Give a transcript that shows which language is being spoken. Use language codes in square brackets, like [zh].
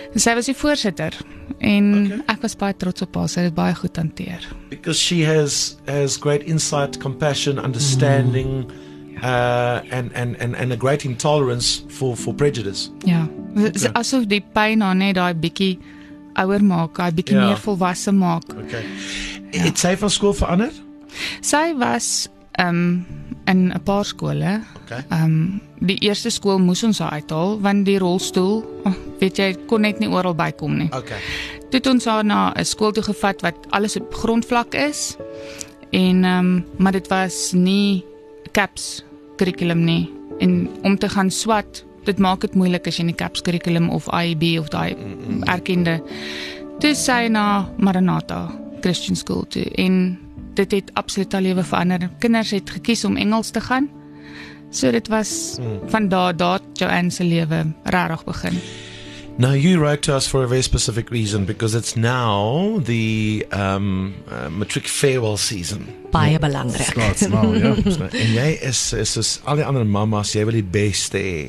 [af] Sy was die voorsitter en ek was baie trots op haar. Sy het dit baie goed hanteer. [en] Because she has great insight, compassion, understanding and a great intolerance for prejudice. [af] Ja. Okay. Asof die pyn haar net daai bietjie ouer maak, hy bietjie meer volwasse maak. Okay. Het sy van skool verander? Sy was in 'n paar skole. Okay. Die eerste skool moes ons haar uithaal, want die rolstoel, weet jy, kon net nie oral bykom nie. Okay. Toe het ons haar na 'n skool toe gevat wat alles op grondvlak is, en maar dit was nie CAPS curriculum nie. En om te gaan swat, dit maak het moeilik as jy in die CAPS curriculum of IB of die erkende. Toe sy na Maranatha Christian School toe en dit het absoluut haar lewe verander. Kinders het gekies om Engels te gaan. So dit was van daar Joanne se lewe regtig begin. [en] Now you wrote to us for a very specific reason because it's now the matric farewell season. [af] Baie belangrik. Slaats nou, ja. En jy is al die ander mamas, jy wil die beste.